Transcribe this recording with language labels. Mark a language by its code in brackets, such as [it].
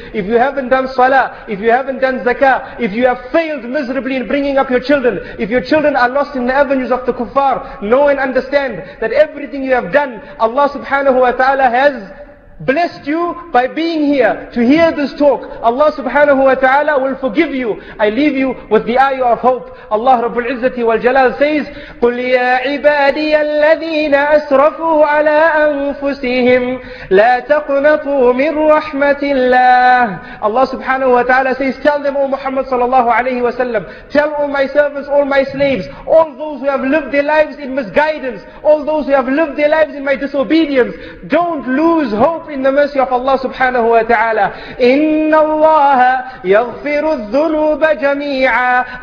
[en] If you haven't done salah, if you haven't done zakah, if you have failed miserably in bringing up your children, if your children are lost in the avenues of the kuffar, know and understand that everything you have done, Allah subhanahu wa ta'ala has blessed you by being here to hear this talk. Allah subhanahu wa ta'ala will forgive you. I leave you with the ayah of hope. [ar] Allah Rabbul Izzati wal Jalal says, قُلْ يَا عِبَادِيَ الَّذِينَ أَسْرَفُوا عَلَىٰ أَنفُسِهِمْ لَا تَقْنَطُوا مِن رَحْمَةِ اللَّهِ. [en] Allah subhanahu wa ta'ala says, tell them, O Muhammad sallallahu alayhi wa sallam, tell all my servants, all my slaves, all those who have lived their lives in misguidance, all those who have lived their lives in my disobedience, don't lose hope. Hope in the mercy of Allah subhanahu wa ta'ala. [ar] إِنَّ اللَّهَ يَغْفِرُ الذُّنُوبَ جَمِيعًا.